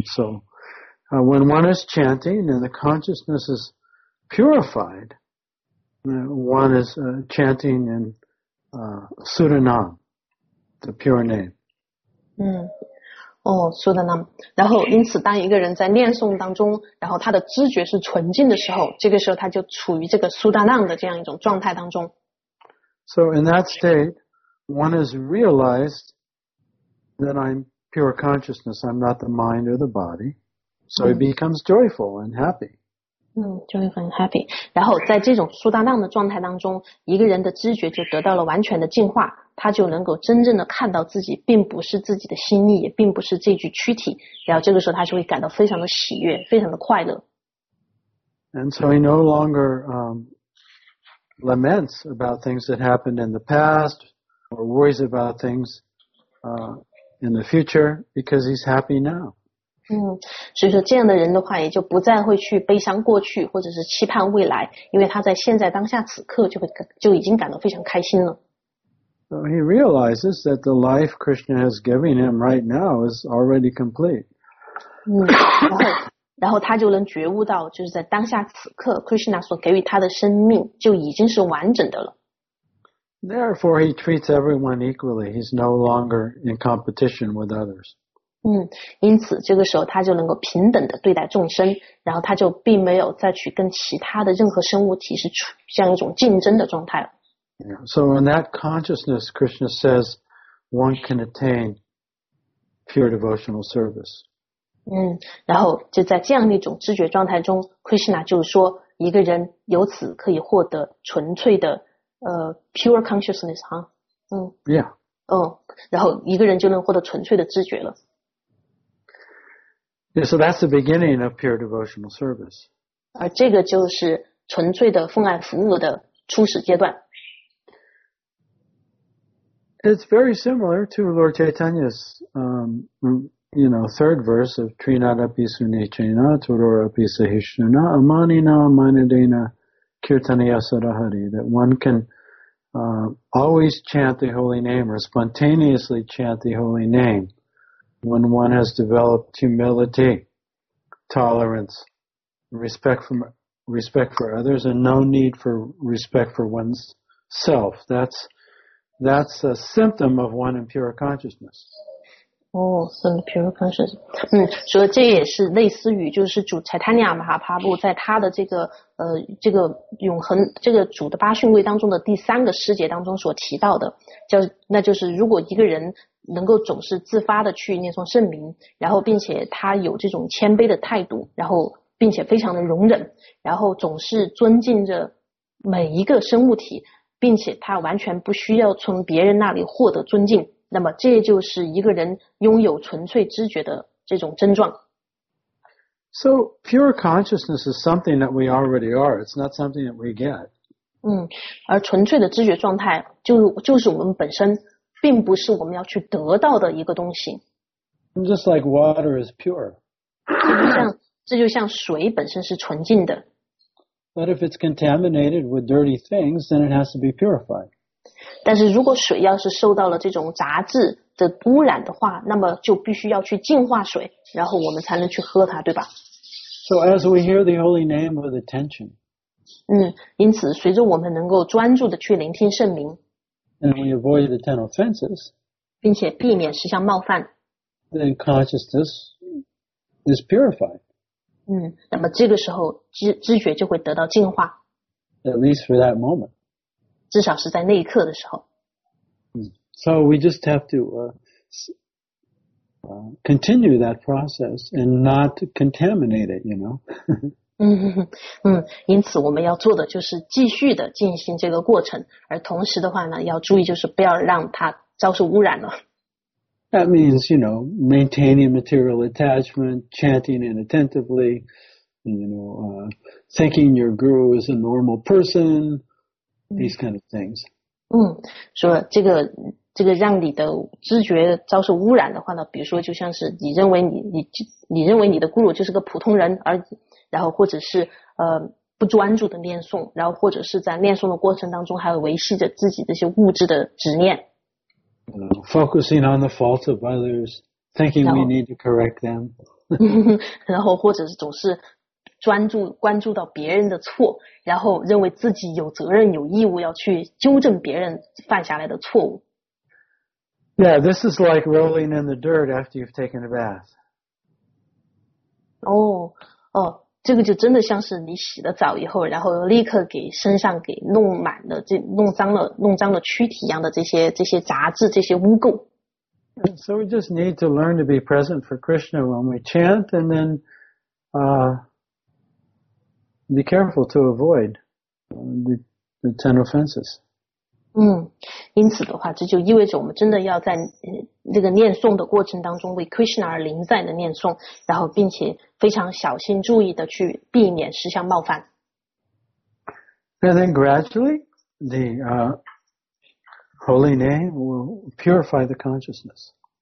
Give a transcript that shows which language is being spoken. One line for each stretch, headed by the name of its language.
English: So, when one is chanting and the consciousness is purified, one is chanting in Suranam, the pure name. Suranam.
Chinese: 然后因此当一个人在念诵当中，然后他的知觉是纯净的时候，这个时候他就处于这个 Suranam 的这样一种状态当中。
English: So in that state, one has realized that I'm. Pure consciousness, I'm not the mind or the body. So he becomes joyful and happy. Joyful and happy.
Chinese: 然后在这种苏达浪的状态当中，一个人的知觉就得到了完全的净化，他就能够真正的看到自己并不是自己的心意，也并不是这具躯体。然后这个时候他就会感到非常的喜悦，非常的快乐。
English: And so he no longer laments about things that happened in the past or worries about things in the future because he's happy now.
Chinese: 嗯，所以说这样的人的话，也就不再会去悲伤过去，或者是期盼未来，因为他在现在当下此刻就已经感到非常开心了。
English: So he realizes that the life Krishna has given him right now is already complete.
Chinese: 嗯，然后他就能觉悟到，就是在当下此刻 ，Krishna 所给予他的生命就已经是完整的了。
English: Therefore, he treats everyone equally. He's no longer in competition with others.
Chinese: 嗯，因此这个时候他就能够平等的对待众生，然后他就并没有再去跟其他的任何生物体是处这样一种竞争的状态了。
English: So in that consciousness, Krishna says one can attain pure devotional service.
Chinese: 嗯，然后就在这样一种知觉状态中 ，Krishna 就是说一个人由此可以获得纯粹的
English: pure consciousness
Chinese: 哈，嗯，Yeah，哦，然后一个人就能获得纯粹的知觉了。
English: Yeah, so that's the beginning of pure devotional service.
Chinese: 而这个就是纯粹的奉爱服务的初始阶段。
English: It's very similar to Lord Chaitanya's, third verse of
Sanskrit: Trinada Pisuni Chena, Turora Pisahishuna, Amanina, Manadena, Kirtaniya Sarahari,
English: that one can always chant the holy name or spontaneously chant the holy name. When one has developed humility, tolerance, respect for others, and no need for respect for one's self, that's a symptom of one in pure consciousness. Oh, some pure consciousness.
Chinese: 嗯，所以这也是类似于就是主柴塔尼亚马哈帕布在他的这个永恒这个主的八训位当中的第三个师节当中所提到的，那就是如果一个人能够总是自发的去念诵圣名，然后并且他有这种谦卑的态度，然后并且非常的容忍，然后总是尊敬着每一个生物体，并且他完全不需要从别人那里获得尊敬，那么这就是一个人拥有纯粹知觉的这种症状。
English: So pure consciousness is something that we already are. It's not something that we get.
Chinese: 嗯，而纯粹的知觉状态就是我们本身，并不是我们要去得到的一个东西。
English: Just like water is pure.
Chinese: 这就像水本身是纯净的。
English: But if it's contaminated with dirty things, then it has to be purified.
Chinese: 但是如果水要是受到了这种杂质的污染的话，那么就必须要去净化水，然后我们才能去喝它，对吧？
English: So as we hear the holy name with attention.
Chinese: 嗯，因此随着我们能够专注的去聆听圣名。
English: And we avoid the ten offenses.
Chinese: 并且避免十项冒犯。
English: Then consciousness is purified.
Chinese: 嗯，那么这个时候知觉就会得到净化。
English: At least for that moment.
Chinese: 至少是在那一刻的时候。
English: So we just have to continue that process and not contaminate it, you know.
Chinese: 嗯，因此我们要做的就是继续的进行这个过程，而同时的话呢，要注意就是不要让它遭受污染了。
English: That means, you know, maintaining material attachment, chanting inattentively, you know, thinking your guru is a normal person, these kind of things.
Chinese: 嗯，说这个让你的知觉遭受污染的话呢，比如说就像是你认为你的guru就是个普通人，而然后或者是不专注的念诵，然后或者是在念诵的过程当中还维系着自己这些物质的执念。
English: Focusing on the faults of others, thinking we need to correct them.
Chinese: 然后或者是总是关注到别人的错，然后认为自己有责任有义务要去纠正别人犯下来的错误。
English: Yeah, this is like rolling in the dirt after you've taken a bath.
Chinese: Oh, 这个就真的像是你洗了澡以后，然后立刻给身上给弄满了，弄脏了躯体一样的这些杂质，这些污垢。
English: So we just need to learn to be present for Krishna when we chant, and then be careful to avoid the ten offenses.
Chinese: 嗯，因此的话，这就意味着我们真的要在这个念诵的过程当中为 Krishna 而临在的念诵，然后并且非常小心注意的去避免十项冒犯。
English: And then gradually, the holy name will purify the consciousness.